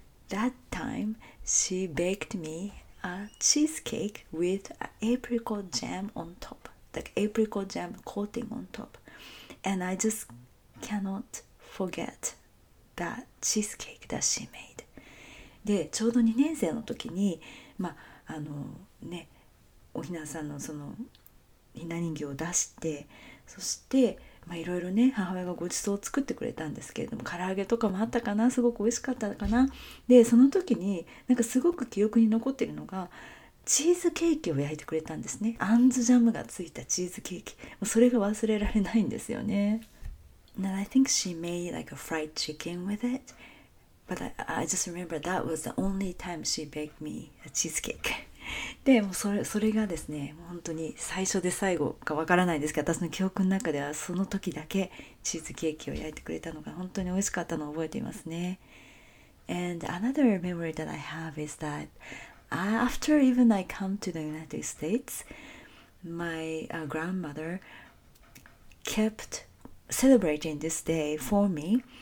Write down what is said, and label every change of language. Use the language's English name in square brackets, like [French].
[English] That time, she baked me a cheesecake with apricot jam on top, like apricot jam coating on top. And I just cannot forget that cheesecake that she made. [Japanese] で、ちょうど2年生の時に、まあ、あのね、おひなさんのそのひな人形を出して、そしていろいろね、母親がごちそうを作ってくれたんですけれども、唐揚げとかもあったかな、すごく美味しかったかな。でその時になんかすごく記憶に残ってるのが、チーズケーキを焼いてくれたんですね。アンズジャムがついたチーズケーキ、それが忘れられないんですよね。 [English] Now I think she made like a fried chicken with it, but I just remember that was the only time she baked me a cheesecake. [Japanese] でもそれがですね、本当に最初で最後かわからないですけど、私の記憶の中ではその時だけチーズケーキを焼いてくれたのが本当に美味しかったのを覚えていますね。 [English] And another memory that I have is that after even I come to the United States, my grandmother kept celebrating this day for me.